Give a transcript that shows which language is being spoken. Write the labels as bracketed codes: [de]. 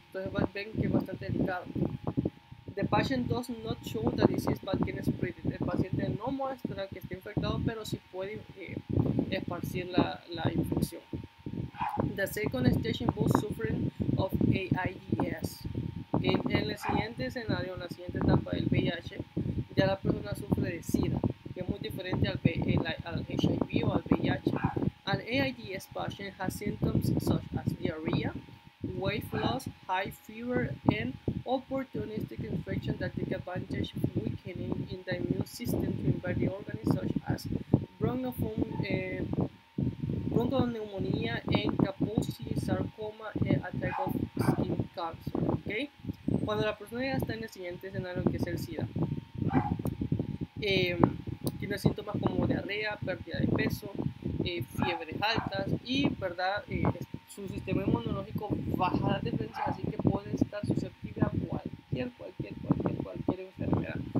[es] Entonces ven que es bastante delicado. [en] The patient does not show the disease but can spread it. [es] El paciente no muestra que esté infectado, pero sí puede esparcir la infección. [en] The second stage involves suffering of AIDS. [es] En el siguiente escenario, en la siguiente etapa del VIH, ya la persona sufre de SIDA, que es muy diferente al HIV o al VIH. [en] An AIDS patient has symptoms such as diarrhea, weight loss, high fever, and opportunistic infection that take advantage of weakening in the immune system to invade organs such as bronchopneumonia and Kaposi sarcoma, a type of skin cancer. Okay? [es] Cuando la persona ya está en el siguiente escenario, que es el SIDA, tiene síntomas como diarrea, pérdida de peso, fiebres altas y, ¿verdad?, su sistema inmunológico baja la defensa, así que puede estar susceptible a cualquier enfermedad.